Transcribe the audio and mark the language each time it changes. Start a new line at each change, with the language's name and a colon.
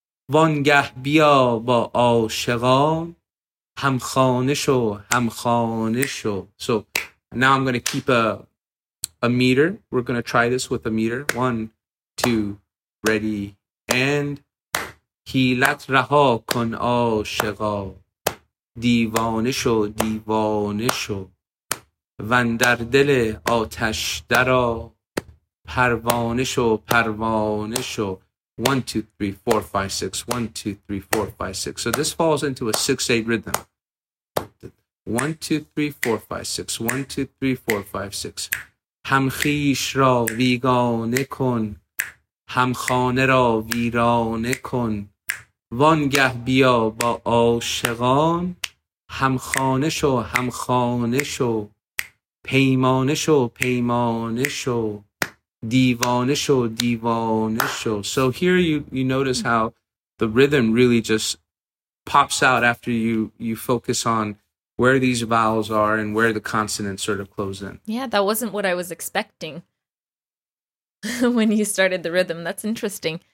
Persian: Vangah biya ba aashiqan.
English: So now I'm going to keep a meter. We're going to try this with a meter. One, two, ready, and
Persian: حیلت رها کن عاشقا دیوانه شو دیوانه شو وندر دل آتش درا پروانه شو
English: پروانه شو 1 2 3 4 5 6 1 2 3 4 5 6 So this falls into a 6-8 rhythm. 1 2 3 4 5 6 1 2 3 4 5 6
Persian: همخیش را ویگانه کن همخانه را ویرانه کن وانگه بیا با عاشقان همخانه شو همخانه شو پیمانه شو پیمانه شو دیوانه شو دیوانه شو
English: So here you notice how the rhythm really just pops out after you focus on where these vowels are and where the consonants sort of close in. Yeah, that wasn't what I was expecting when you started the rhythm. That's interesting.